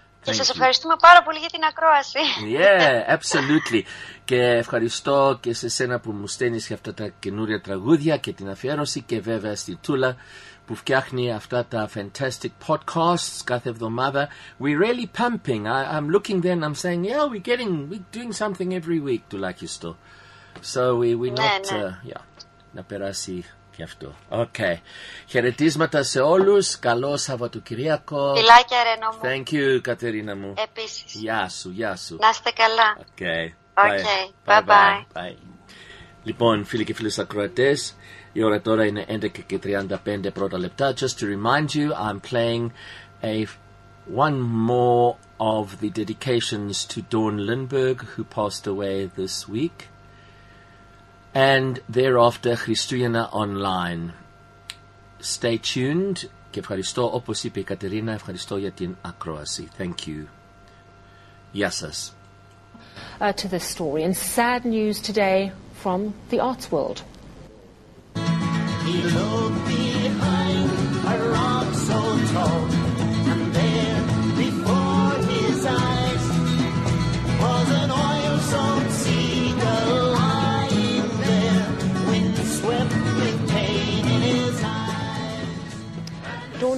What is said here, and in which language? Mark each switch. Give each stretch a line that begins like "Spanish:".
Greek: Και σας ευχαριστούμε πάρα πολύ για την ακρόαση.
English: Yeah, absolutely.
Greek: Και ευχαριστώ και σε σένα που μου στέλνεις και αυτά τα καινούρια τραγούδια και την αφιέρωση και βέβαια στη Τούλα που φτιάχνει αυτά τα fantastic podcasts κάθε εβδομάδα.
English: We're really pumping. I'm looking there and I'm saying, yeah, we're doing something every week,
Greek: τουλάχιστον.
English: So we
Greek: ναι,
English: not,
Greek: ναι. Yeah, να περάσει και αυτό. Okay. Χαιρετίσματα σε όλους. Καλό Σαββατοκυριακό. Φιλάκια, Ρένο μου.
English: Thank you, Κατερίνα μου.
Greek: Επίσης. Γεια σου. Να είστε καλά.
English: Okay. Okay. Bye.
Greek: Λοιπόν, φίλοι και φίλες ακροατές, η ώρα τώρα είναι 11:35 πρώτα λεπτά.
English: Just to remind you, I'm playing a one more of the dedications to Dawn Lindbergh, who passed away this week, and thereafter Christiana Online. Stay tuned.
Greek: Ευχαριστώ όπως είπε η Κατερίνα, ευχαριστώ για την ακρόαση.
English: Thank you.
Greek: Γεια σας.
English: To this story and sad news today from the arts world. He looked behind a rock so tall, and there before his eyes was an oil-soaked seagull lying there, windswept with pain in his eyes.